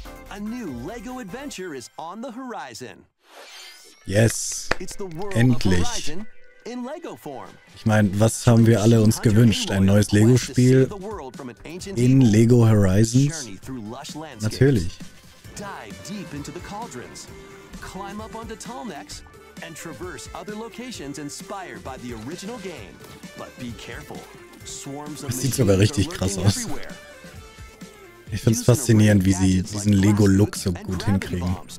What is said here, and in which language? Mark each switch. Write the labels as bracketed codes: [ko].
[en] A new Lego adventure is on the horizon. Yes, it's the world endlich. Of Horizon in Lego form. [de] Ich meine, was haben wir alle uns gewünscht? Ein neues Lego-Spiel in Lego Horizons? Natürlich. [en] Dive deep into the cauldrons. Climb up onto tall necks. And traverse other locations inspired by the original game. But be careful. [de] Das sieht sogar richtig krass aus. Ich finde es faszinierend, wie sie diesen Lego-Look so gut hinkriegen.